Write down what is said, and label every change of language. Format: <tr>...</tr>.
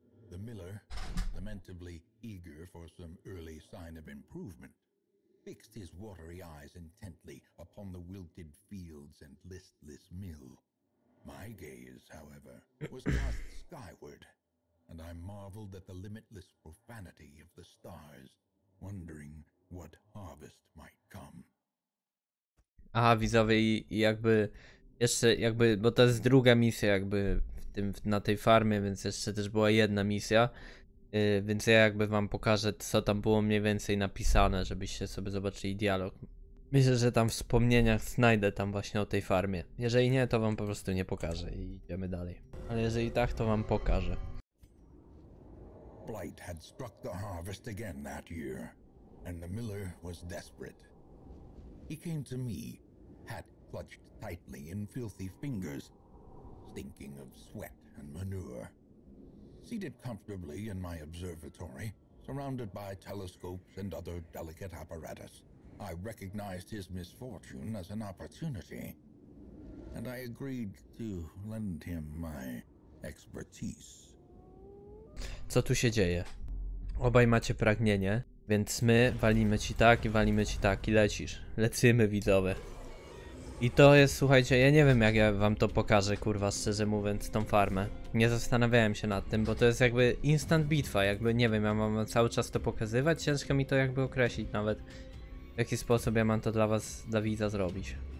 <en>The miller, lamentably eager for some early sign of improvement, fixed his watery eyes intently upon the wilted fields and listless mill. My gaze, however, was cast skyward, and I marveled at the limitless profanity of the stars, wondering what harvest might come.</en> <pl>Aha, widzowie, jakby... Jeszcze jakby, bo to jest druga misja jakby na tej farmie, więc jeszcze też była jedna misja. Więc ja jakby wam pokażę, co tam było mniej więcej napisane, żebyście sobie zobaczyli dialog. Myślę, że tam w wspomnieniach znajdę tam właśnie o tej farmie. Jeżeli nie, to wam po prostu nie pokażę i idziemy dalej. Ale jeżeli tak, to wam pokażę.</pl> <en>Blight had struck the harvest again that year, and the miller was desperate. He came to me, hat clutched tightly in filthy fingers, stinking of sweat and manure. Seated comfortably in my observatory, surrounded by telescopes and other delicate apparatus, I recognized his misfortune as an opportunity, and I agreed to lend him my expertise.</en> <pl>Co tu się dzieje? Obaj macie pragnienie, więc my walimy ci tak i walimy ci tak i lecisz. Lecimy, widzowie. I to jest, słuchajcie, ja nie wiem, jak ja wam to pokażę, kurwa, szczerze mówiąc, tą farmę. Nie zastanawiałem się nad tym, bo to jest jakby instant bitwa, jakby, nie wiem, ja mam cały czas to pokazywać, ciężko mi to jakby określić nawet, w jaki sposób ja mam to dla was, dla widza zrobić.</pl>